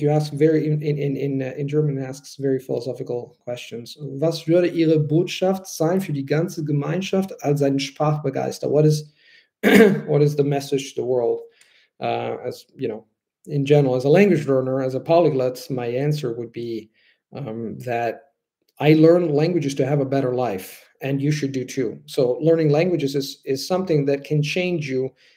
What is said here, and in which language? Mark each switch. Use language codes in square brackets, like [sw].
[en] You ask very in German, asks very philosophical questions. [de] Was würde Ihre Botschaft sein für die ganze Gemeinschaft als ein Sprachbegeister? [en] What is the message to the world? As you know, in general, as a language learner, as a polyglot, my answer would be that I learn languages to have a better life, and you should do too. So learning languages is something that can change you.